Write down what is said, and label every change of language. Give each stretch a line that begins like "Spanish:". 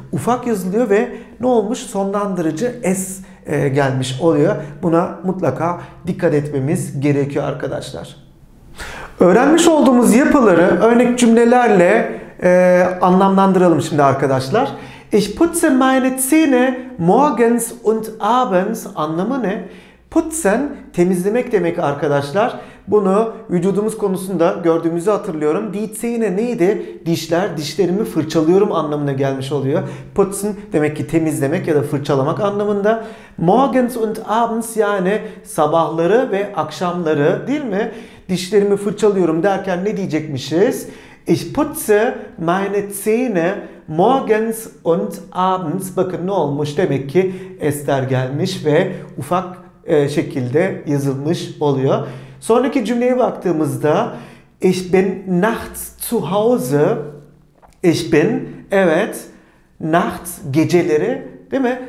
Turkish: Ufak yazılıyor ve ne olmuş? Sonlandırıcı es gelmiş oluyor. Buna mutlaka dikkat etmemiz gerekiyor arkadaşlar. Öğrenmiş olduğumuz yapıları örnek cümlelerle anlamlandıralım şimdi arkadaşlar.
German: Ich putze meine Zähne morgens und abends
Turkish: anlamı ne? Putzen temizlemek demek arkadaşlar. Bunu vücudumuz konusunda gördüğümüzü hatırlıyorum.
German: Die Zähne
Turkish: neydi? Dişler, dişlerimi fırçalıyorum anlamına gelmiş oluyor. Putzen demek ki temizlemek ya da fırçalamak anlamında.
German: Morgens und abends,
Turkish: yani sabahları ve akşamları, değil mi? Dişlerimi fırçalıyorum derken ne diyecekmişiz?
German: Ich putze meine Zähne morgens und abends.
Turkish: Bakın ne olmuş? Demek ki ester gelmiş ve ufak şekilde yazılmış oluyor. Sonraki cümleye baktığımızda
German: ich bin nachts zu Hause. Ich bin,
Turkish: evet,
German: nachts,
Turkish: geceleri, değil mi?